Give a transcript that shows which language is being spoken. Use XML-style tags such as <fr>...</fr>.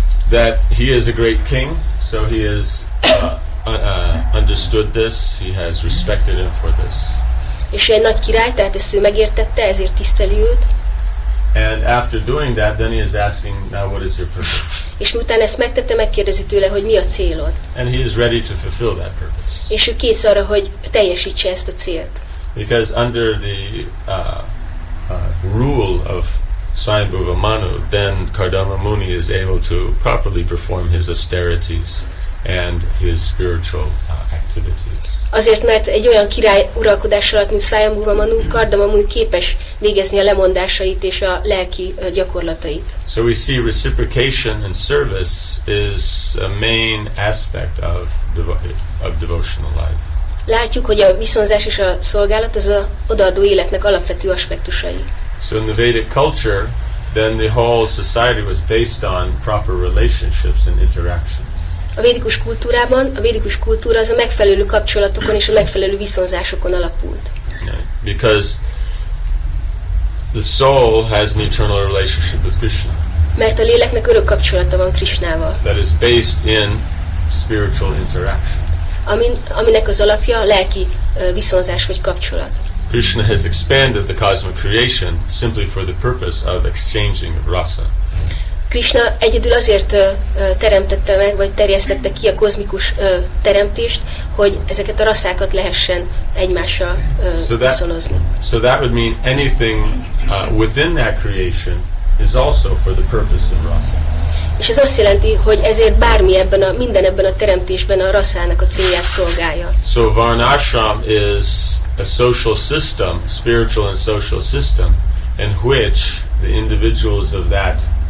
<en>That he is a great king, so he is understood this, he has respected him for this.</en> <hu>És egy nagy király, tehát ezt ő megértette, ezért tiszteli őt.</hu> <en>And after doing that, then he is asking, now what is your purpose?</en> <hu>És miután ezt megtette, megkérdezi tőle, hogy mi a célod.</hu> <en>And he is ready to fulfill that purpose.</en> <hu>És ő kész arra, hogy teljesítse ezt a célt.</hu> <en>Because under the rule of Swayambhuva Manu, then Kardama Muni is able to properly perform his austerities and his spiritual activities.</en> <hu>Azért, mert egy olyan király uralkodás alatt, mint Swayambhuva Manu, Kardama Muni képes végezni a lemondásait és a lelki gyakorlatait.</hu> <en>So we see reciprocation and service is a main aspect of devotional life.</en> <hu>Látjuk, hogy a viszonzás és a szolgálat az a odaadó életnek alapvető aspektusai.</hu> <en>So in the Vedic culture, then the whole society was based on proper relationships and interactions.</en> <hu>A védikus kultúrában, a védikus kultúra az a megfelelő kapcsolatokon és a megfelelő viszonzásokon alapult.</hu> <en>Yeah, because the soul has an eternal relationship with Krishna.</en> <hu>Mert a léleknek örök kapcsolata van Krishnával.</hu> <en>That is based in spiritual interaction.</en> <hu>Aminek az alapja a lelki viszonzás vagy kapcsolat.</hu> <en>Krishna has expanded the cosmic creation simply for the purpose of exchanging rasa.</en> <hu>Krishna egyedül azért teremtette meg, vagy terjesztette ki a kozmikus teremtést, hogy ezeket a raszákat lehessen egymással viszonozni.</hu> <en>So that would mean anything within that creation is also for the purpose of rasa.</en> <hu>És ez azt jelenti, hogy ezért bármi ebben a teremtésben a raszának a célját szolgálja.</hu> <en>So Varnashram is a social system, spiritual and social system, in which the individuals of that</en>